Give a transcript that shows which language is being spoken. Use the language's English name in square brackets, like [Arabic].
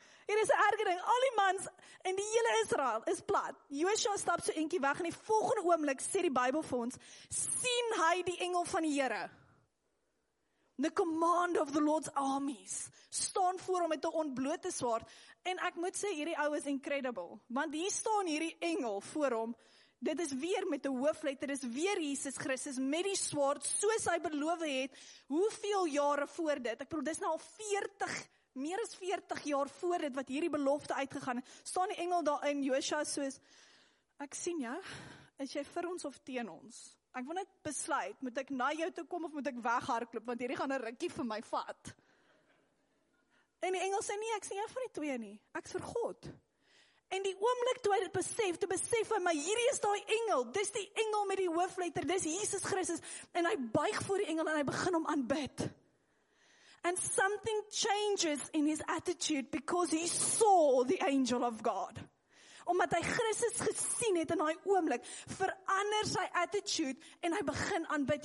[Afrikaans] Hier is 'n erge ding, al die mans in die hele Israel is plat. Joshua stap so eentjie weg, en die volgende oomblik, sê die Bybel vir ons, sien hy die engel van die Here. [English] The command of the Lord's armies. [Afrikaans] Staan voor hom met 'n ontblote swaard. En ek moet sê, hierdie ou is incredible. Want hier staan hierdie engel voor hom. Dit is weer met 'n hoofletter. Dit is weer Jesus Christus met die swaard. Soos hy beloof het. Hoeveel jare voor dit? Ek bedoel, dit is nou al 40, meer as 40 jaar voor dit, wat hierdie belofte uitgegaan het. Staan die engel daar in Joshua soos, ek sien jou, is jy vir ons of teen ons? Ek wil net besluit, moet ek na jou toe kom of moet ek weghardloop, want hierdie gaan 'n rukkie vir my vat. En die engel sê nie, ek sien jou van die twee nie, ek is vir God. En die oomblik toe hy dit besef, toe besef hy, maar hierdie is daai engel, dis die engel met die hoofletter, dis Jesus Christus, en hy buig voor die engel en hy begin hom aanbid. [English] And something changes in his attitude because he saw the angel of God. [Afrikaans] Omdat hy Christus gesien het in hy oomblik, verander sy attitude en hy begin aanbid.